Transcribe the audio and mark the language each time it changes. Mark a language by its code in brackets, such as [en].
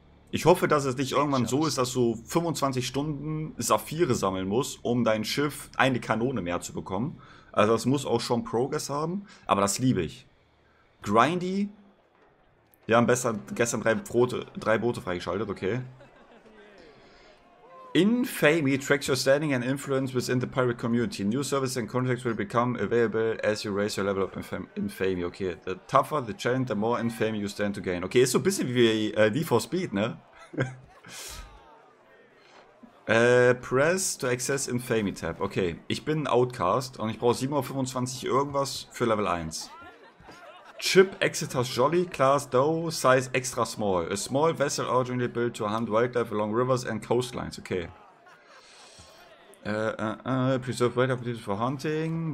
[de] Ich hoffe, dass es nicht irgendwann so ist, dass du 25 Stunden Saphire sammeln musst, um dein Schiff eine Kanone mehr zu bekommen. Also das muss auch schon Progress haben. Aber das liebe ich. Grindy. Wir haben gestern drei Boote freigeschaltet, okay. [en] Infamy tracks your standing and influence within the pirate community. New services and contracts will become available as you raise your level of infamy. Okay, the tougher the challenge, the more infamy you stand to gain. [de] Okay, ist so ein bisschen wie Need for Speed, ne? press to access Infamy Tab. Okay, ich bin ein Outcast und ich brauche 7,25 irgendwas für Level 1. [en] Chip Exeter's Jolly, Class Doe, Size Extra Small. A small vessel originally built to hunt wildlife along rivers and coastlines. Okay. Preserve wildlife for hunting.